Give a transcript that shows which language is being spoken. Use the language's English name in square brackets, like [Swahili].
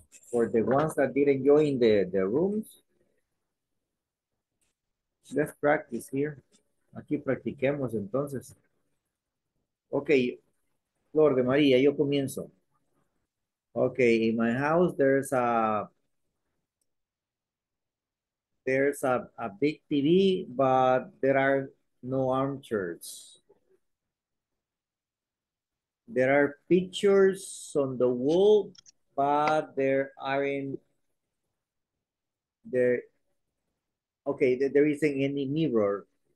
[English] For the ones that didn't join the rooms, let's practice here. [Spanish] Aquí practiquemos entonces. Okay. Flor de María, yo comienzo. [English] Okay, in my house there's a big TV, but there are no armchairs. There are pictures on the wall, but there isn't any mirror.